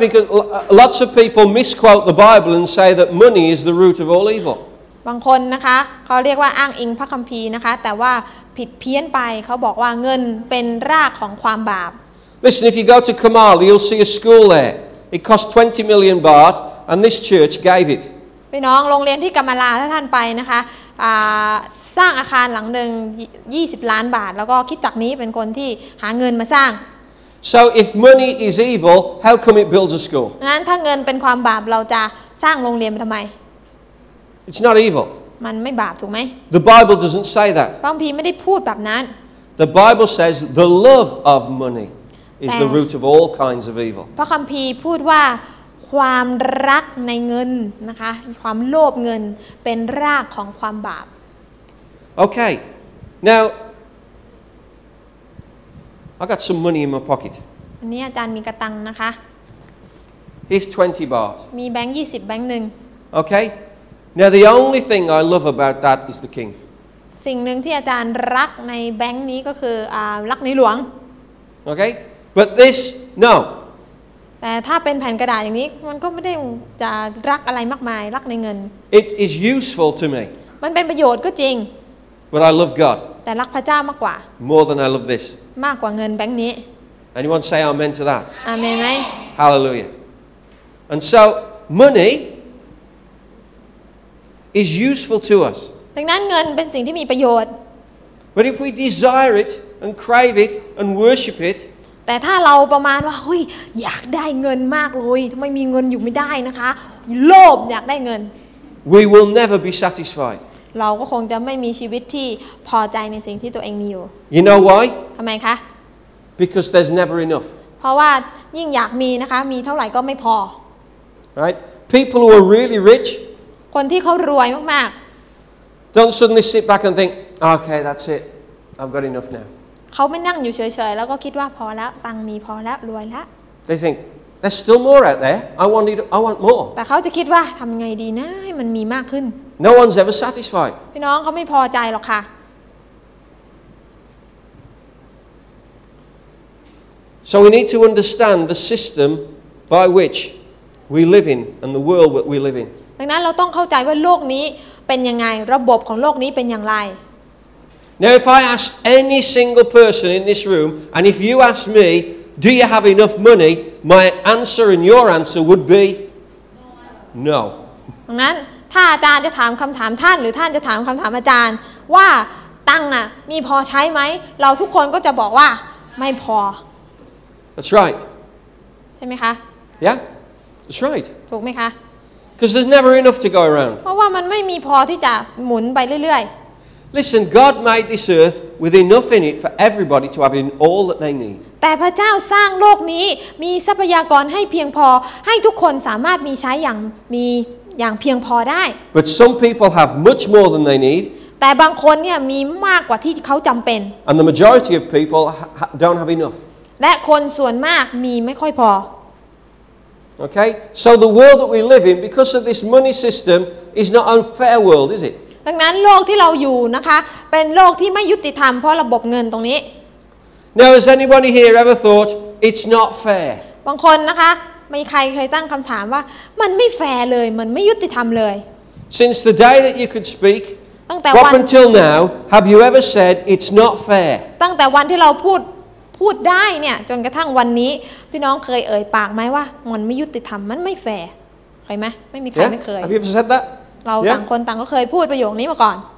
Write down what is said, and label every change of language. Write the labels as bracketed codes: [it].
[en] Because lots of people misquote the Bible and say that money is the root of all evil. [th] บางคนนะคะเขาเรียกว่าอ้างอิงพระคัมภีร์นะคะแต่ว่าผิดเพี้ยนไปเขาบอกว่าเงินเป็นรากของความบาป [en] Listen if you go to Kamal you'll see a school there it cost 20 million baht and this church gave it [th] พี่น้องโรงเรียนที่กัมมาลาถ้าท่านไปนะคะสร้างอาคารหลังหนึ่ง20ล้านบาทแล้วก็คิดจักนี้เป็นคนที่หาเงินมาสร้าง [en] So if money is evil how come it builds a school [th] งั้นถ้าเงินเป็นความบาปเราจะสร้างโรงเรียนทำไม [en] It's not evil. [th] มันไม่บาปถูกไหม [en] The Bible doesn't say that. [th] พระคัมภีร์ไม่ได้พูดแบบนั้น [en] The Bible says the love of money is the root of all kinds of evil. [th] พระคัมภีร์พูดว่าความรักในเงินนะคะความโลภเงินเป็นรากของความบาป [en] Okay. Now I got some money in my pocket. [th] อันนี้อาจารย์มีกระตังนะคะ [en] Here's 20 baht. [th] มีแบงค์20แบงค์นึง [en] Okay. Now the only thing I love about that is the king. [th] สิ่งนึงที่อาจารย์รักในแบงค์นี้ก็คือรักในหลวง [en] Okay? But this no. [th] แต่ถ้าเป็นแผ่นกระดาษอย่างนี้มันก็ไม่ได้จะรักอะไรมากมายรักในเงิน [en] It is useful to me. [th] มันเป็นประโยชน์ก็จริง [en] But I love God. [th] แต่รักพระเจ้ามากกว่า [en] More than I love this. [th] มากกว่าเงินแบงค์นี้ [en] Anyone say amen to that? [th] Amen ไหม [en] Hallelujah. And so money is useful to us. [th] ดังนั้นเงินเป็นสิ่งที่มีประโยชน์ [en] But if we desire it and crave it and worship it [th] แต่ถ้าเราประมาณว่าเฮ้ยอยากได้เงินมากเลยทําไมมีเงินอยู่ไม่ได้นะคะโลภอยากได้เงิน [en] We will never be satisfied. [th] เราก็คงจะไม่มีชีวิตที่พอใจในสิ่งที่ตัวเองมีอยู่ [en] You know why? [th] ทําไมคะ [en] Because there's never enough. [th] เพราะว่ายิ่งอยากมีนะคะมีเท่าไหร่ก็ไม่พอ [en] Right? People who are really rich. [th] คนที่เขารวยมาก [en] ๆ Don't suddenly sit back and think, okay, that's it. I've got enough now. [th] เขาไม่นั่งอยู่เฉยๆแล้วก็คิดว่าพอแล้วตังมีพอแล้วรวยแล้ว [en] They think there's still more out there. I want more. [th] แต่เขาจะคิดว่าทำไงดีนะให้มันมีมากขึ้น [en] No one's ever satisfied. [th] พี่น้องเขาไม่พอใจหรอกค่ะ [en] So we need to understand the system by which we live in and the world that we live in. [th] ดังนั้นเราต้องเข้าใจว่าโลกนี้เป็นยังไงระบบของโลกนี้เป็นอย่างไร [en] Now if I ask any single person in this room and if you ask me do you have enough money my answer and your answer would be no. [th] ดังนั้นถ้าอาจารย์จะถามคำถามท่านหรือท่านจะถามคำถามอาจารย์ว่าตังค์น่ะมีพอใช้ไหมเราทุกคนก็จะบอกว่าไม่พอ [en] That's right. [th] ใช่ไหมคะ [en] Yeah, that's right. [th] ถูกไหมคะ [en] Because there's never enough to go around. [th] เพราะว่ามันไม่มีพอที่จะหมุนไปเรื่อย [en] ๆ Listen, God made this earth with enough in it for everybody to have in all that they need. [th] แต่พระเจ้าสร้างโลกนี้มีทรัพยากรให้เพียงพอให้ทุกคนสามารถมีใช้อย่างเพียงพอได้ [en] But some people have much more than they need. [th] แต่บางคนเนี่ยมีมากกว่าที่เขาจำเป็น [en] And the majority of people don't have enough. [th] และคนส่วนมากมีไม่ค่อยพ [en] อ Okay so the world that we live in because of this money system is not a fair world is it [th] ดังนั้นโลกที่เราอยู่นะคะเป็นโลกที่ไม่ยุติธรรมเพราะระบบเงินตรงนี้ [en] Now has anybody here ever thought it's not fair [th] บางคนนะคะมีใครเคยตั้งคำถามว่ามันไม่แฟร์เลยมันไม่ยุติธรรมเลย [en] Since the day that you could speak [th] ตั้งแต่วัน [en] Up until now have you ever said it's not fair [th] ตั้งแต่วันที่เราพูดได้เนี่ยจนกระทั่งวันนี้พี่น้องเคยเอ่ยปากไหมว่ามันไม่ยุติธรรมมันไม่แฟร์เคยไหมไม่มีใครไม่เคย [en] Have you ever said that? [th] เราต่างคนต่างก็เคยพูดประโยคนี้มาก่อน